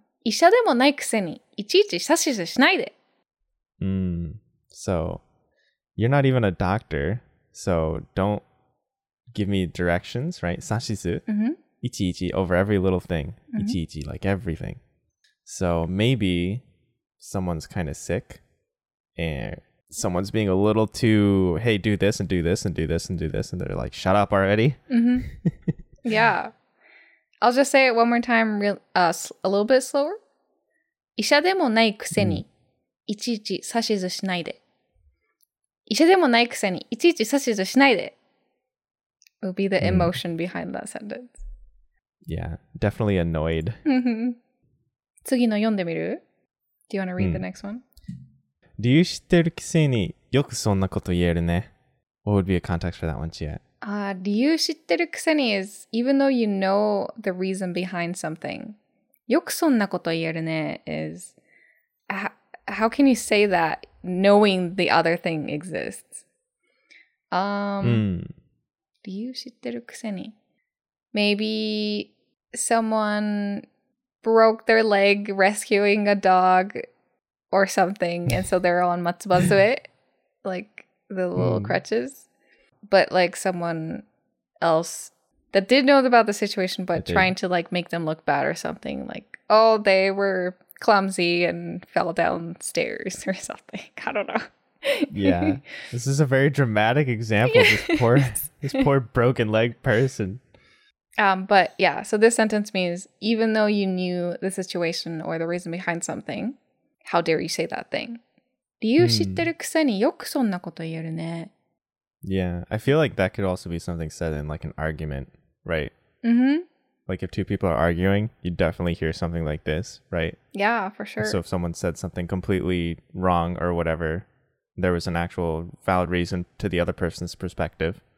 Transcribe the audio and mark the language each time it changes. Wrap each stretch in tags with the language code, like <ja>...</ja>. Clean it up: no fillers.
<ja>医者でもないくせにいちいち指図しないで。</ja> <en>So, you're not even a doctor, so don't give me directions, right? 指図。いちいち over every little thing. いちいち like everything. So maybe someone's kind of sick and someone's being a little too, hey, do this and do this and do this and do this. And they're like, shut up already. Yeah. I'll just say it one more time a little bit slower.</en> <ja>医者でもないくせにいちいち指図しないで。医者でもないくせにいちいち指図しないで。</ja> <en>Will be the emotion behind that sentence. Yeah, definitely annoyed.</en> <ja>次の読んでみる?</ja> <en>Do you want to read the next one?</en> <ja>理由知ってるくせによくそんなこと言えるね。</ja> <en>What would be a context for that one, Chia?</en> <ja>理由知ってるくせに</ja> <en>is even though you know the reason behind something,</en> <ja>よくそんなこと言えるね</ja> <en>is how can you say that knowing the other thing exists?</en> <ja>理由知ってるくせに</ja> <en>Maybe someone broke their leg rescuing a dog or something and so they're on matsubasue, like the little crutches. But like someone else that did know about the situation, but trying to like make them look bad or something. Like, oh, they were clumsy and fell downstairs or something. I don't know. Yeah. This is a very dramatic example. Yes. This poor broken leg person. But yeah, so this sentence means even though you knew the situation or the reason behind something, how dare you say that thing?</en> <ja>理由知ってるくせによくそんなこと言えるね。</ja> <en>Yeah, I feel like that could also be something said in like an argument, right? Like if two people are arguing, you definitely hear something like this, right? Yeah, for sure. So if someone said something completely wrong or whatever, there was an actual valid reason to the other person's perspective.</en>